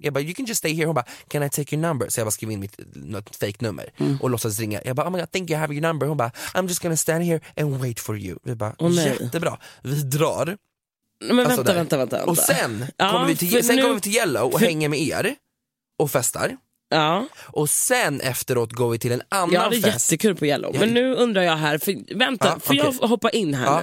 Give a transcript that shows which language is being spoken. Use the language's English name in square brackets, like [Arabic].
[Swedish] Jag bara, [English] you can just stay here. [Swedish] Hon bara, [English] can I take your number? [Swedish] Så jag bara skriver in mitt fake nummer och låtsas ringa. Jag bara, [English] oh my god, I think I have your number. [Swedish] Hon bara, [English] I'm just gonna stand here and wait for you. [Swedish] Vi bara, jättebra. Vi drar. Men alltså, vänta. Och sen, kommer vi till Yellow och hänger med er. Och festar. Ja. Och sen efteråt går vi till en annan fest. Ja, det är jättekul på Yellow. Men nu undrar jag här, för jag hoppa in här